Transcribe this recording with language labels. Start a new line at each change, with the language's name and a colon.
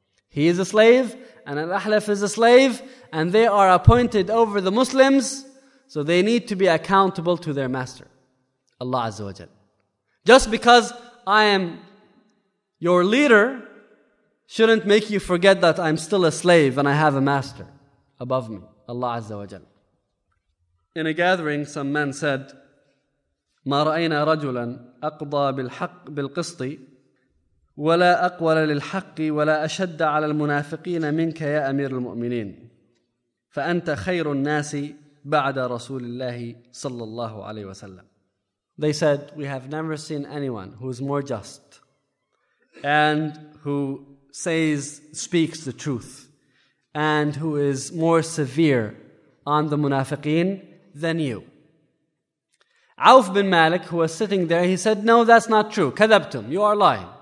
English: He is a slave, and Al-Ahlaf is a slave, and they are appointed over the Muslims, so they need to be accountable to their master, Allah Azza wa Jal. Just because I am your leader shouldn't make you forget that I'm still a slave and I have a master above me, Allah Azza wa Jal. In a gathering, some men said,
Arabic: ما رأينا رجلا أقضى بالحق بالقسط ولا أقول للحق ولا أشد على المنافقين منك يا أمير المؤمنين فأنت خير الناس بعد رسول الله صلى الله عليه وسلم.
English: They said, we have never seen anyone who is more just and who speaks the truth and who is more severe on the munafiqeen than you. Auf bin Malik, who was sitting there, he said, no, that's not true. Kadabtum, you are lying.